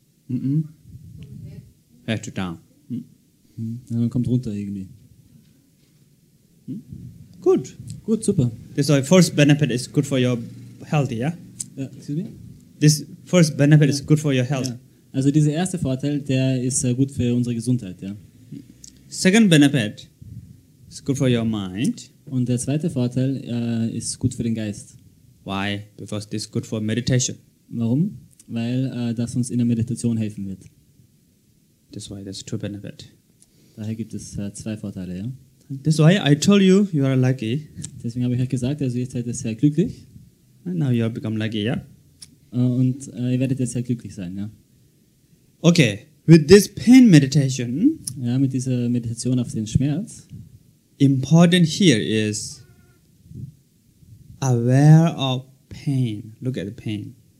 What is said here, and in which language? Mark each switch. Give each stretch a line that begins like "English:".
English: Mm-mm. Head to down.
German: Mm. Dann kommt runter irgendwie. Gut. Gut, super.
English: This first benefit is good for your health, yeah? Excuse me? This first benefit is good for your health. Yeah.
German: Also dieser erste Vorteil, der ist gut für unsere Gesundheit, ja.
English: Second benefit is good for your mind.
German: Und der zweite Vorteil ist gut für den Geist.
English: Why? Because this is good for meditation.
German: Warum? Weil das uns in der Meditation helfen wird.
English: That's why there's two benefits.
German: Daher gibt es zwei Vorteile, ja.
English: That's why I told you, you are lucky.
German: Deswegen habe ich euch gesagt, also ihr seid jetzt sehr glücklich.
English: And now you have become lucky, yeah?
German: Und ihr werdet jetzt sehr glücklich sein, ja.
English: Okay, with this pain meditation.
German: Ja, mit dieser Meditation auf den Schmerz.
English: Important here is aware of pain. Look at the pain.